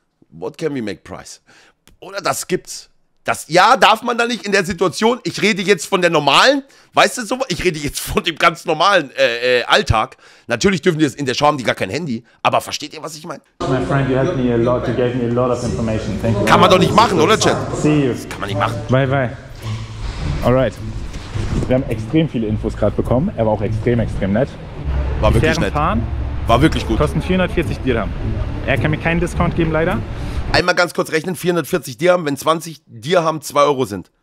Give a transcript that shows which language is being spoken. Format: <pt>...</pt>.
<en>What can we make price?</en> <de>Oder das gibt's. Das, ja, darf man da nicht in der Situation, ich rede jetzt von der normalen, weißt du so, ich rede jetzt von dem ganz normalen Alltag. Natürlich dürfen die das in der Show, haben die gar kein Handy, aber versteht ihr, was ich meine?</de> <en>My friend, you helped me a lot, you gave me a lot of information, thank you.</en> <de>Kann man doch nicht machen, oder Chad?</de> <en>See you.</en> <de>Das kann man nicht machen.</de> <en>Bye, bye. Alright.</en> <de>Wir haben extrem viele Infos gerade bekommen, er war auch extrem, extrem nett. War wirklich nett. Fahren. War wirklich gut. Kosten 440 Dirham. Er kann mir keinen Discount geben, leider. Einmal ganz kurz rechnen, 440 Dirham, wenn 20 Dirham 2 Euro sind.</de>